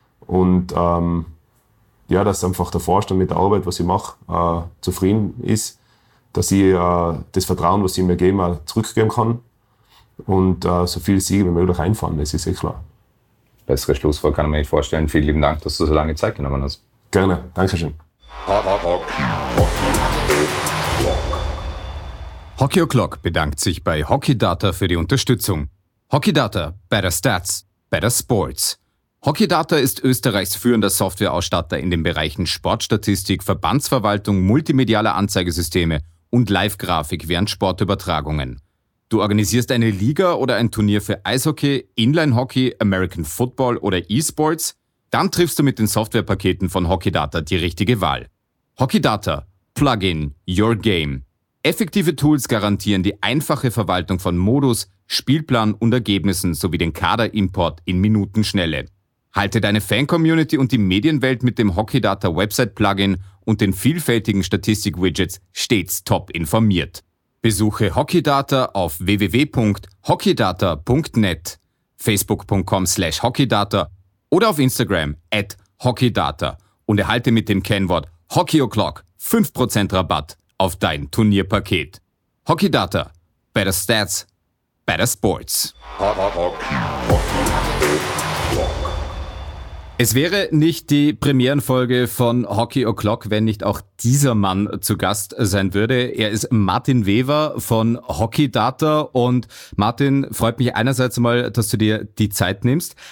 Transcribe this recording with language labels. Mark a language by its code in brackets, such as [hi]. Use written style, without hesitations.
[de] Und ja, dass einfach der Vorstand mit der Arbeit, was ich mache, zufrieden ist, dass ich das Vertrauen, was sie mir geben, auch zurückgeben kann und so viele Siege wie möglich einfahren, das ist eh klar. Bessere Schlusswort kann ich mir nicht vorstellen. Vielen lieben Dank, dass du so lange Zeit genommen hast. Gerne, Dankeschön. Hockey O'Clock bedankt sich bei Hockey Data für die Unterstützung. [en] Hockey Data, better stats, better sports. [de] Hockey Data ist Österreichs führender Softwareausstatter in den Bereichen Sportstatistik, Verbandsverwaltung, multimediale Anzeigesysteme und Live-Grafik während Sportübertragungen. Du organisierst eine Liga oder ein Turnier für Eishockey, Inline-Hockey, American Football oder E-Sports? Dann triffst du mit den Softwarepaketen von Hockey Data die richtige Wahl. Hockey Data. [en] Plug in your game. [de] Effektive Tools garantieren die einfache Verwaltung von Modus, Spielplan und Ergebnissen sowie den Kaderimport in Minutenschnelle. Halte deine Fan-Community und die Medienwelt mit dem Hockeydata-Website-Plugin und den vielfältigen Statistik-Widgets stets top informiert. Besuche Hockeydata auf www.hockeydata.net, facebook.com/hockeydata oder auf Instagram @hockeydata und erhalte mit dem Kennwort HockeyO'Clock 5% Rabatt auf dein Turnierpaket. [en] Hockeydata, better stats, better sports. [de] Es wäre nicht die Premierenfolge von Hockey O'Clock, wenn nicht auch dieser Mann zu Gast sein würde. Er ist Martin Wever von Hockey Data. Und Martin, freut mich einerseits mal, dass du dir die Zeit nimmst.